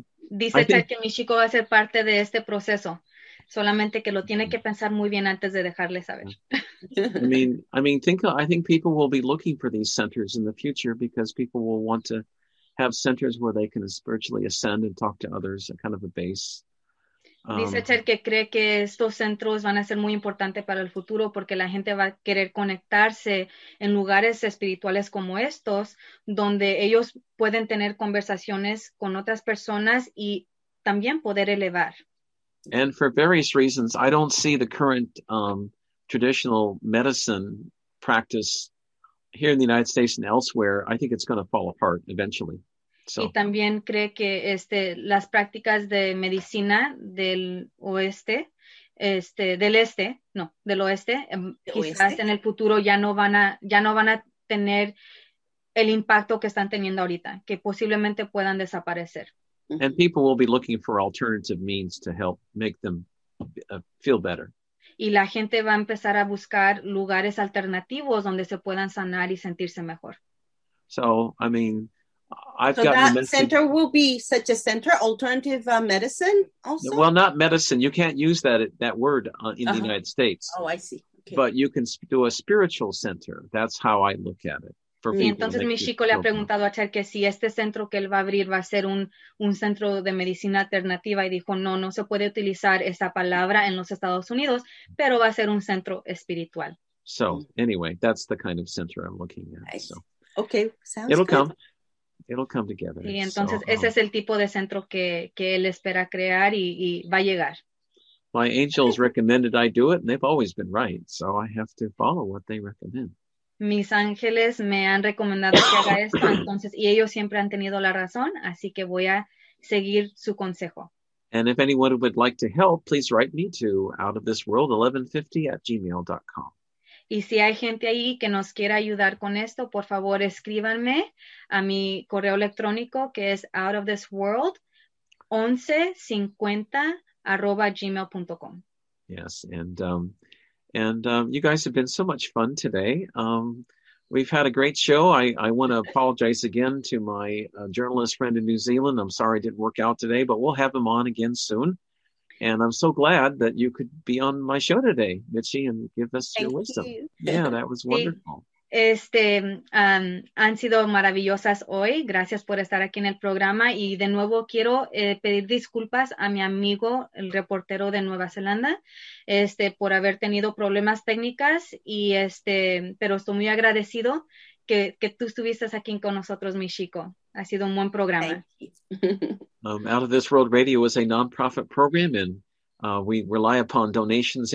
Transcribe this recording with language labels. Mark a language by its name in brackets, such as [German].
[Spanish] Dice Chad que mi chico va a ser parte de este proceso. Solamente que lo tiene que pensar muy bien antes de dejarle saber. [English] I think people will be looking for these centers in the future because people will want to have centers where they can spiritually ascend and talk to others, a kind of a base. [Spanish] Dice Chad que cree que estos centros van a ser muy importantes para el futuro porque la gente va a querer conectarse en lugares espirituales como estos, donde ellos pueden tener conversaciones con otras personas y también poder elevar. [English] And for various reasons, I don't see the current traditional medicine practice here in the United States and elsewhere. I think it's going to fall apart eventually. So. [Spanish] Y también cree que las prácticas de medicina del oeste, del este, no, del oeste, quizás en el futuro ya no van a tener el impacto que están teniendo ahorita, que posiblemente puedan desaparecer. [English] And people will be looking for alternative means to help make them feel better. [Spanish] Y la gente va a empezar a buscar lugares alternativos donde se puedan sanar y sentirse mejor. [English] So, I mean, I've gotten that center will be such a center, alternative medicine also? Well, not medicine. You can't use that word in the United States. Oh, I see. Okay. But you can do a spiritual center. That's how I look at it. [Spanish] Y entonces mi chico le ha preguntado a Cher que si este centro que él va a abrir va a ser un centro de medicina alternativa y dijo no se puede utilizar esa palabra en los Estados Unidos, pero va a ser un centro espiritual. [English] So, anyway, that's the kind of center I'm looking at. So. Okay, sounds it'll good. It'll come together. [Spanish] Y entonces ese es el tipo de centro que él espera crear y va a llegar. [English] My angels recommended I do it and they've always been right, so I have to follow what they recommend. [Spanish] Mis ángeles me han recomendado que haga esto, entonces, y ellos siempre han tenido la razón, así que voy a seguir su consejo. [English] And if anyone would like to help, please write me to outofthisworld1150@gmail.com. [Spanish] Y si hay gente ahí que nos quiera ayudar con esto, por favor, escríbanme a mi correo electrónico que es outofthisworld1150@gmail.com. [English] Yes, And you guys have been so much fun today. We've had a great show. I want to apologize again to my journalist friend in New Zealand. I'm sorry it didn't work out today, but we'll have him on again soon. And I'm so glad that you could be on my show today, Mitchie, and give us Thank your wisdom. You. Yeah, that was wonderful. [Spanish] Han sido maravillosas hoy. Gracias por estar aquí en el programa. Y de nuevo quiero pedir disculpas a mi amigo, el reportero de Nueva Zelanda, por haber tenido problemas técnicas. Y pero estoy muy agradecido que tú estuviste aquí con nosotros, mi chico. Ha sido un buen programa. [English] Out of This World Radio is a non-profit program and we rely upon donations.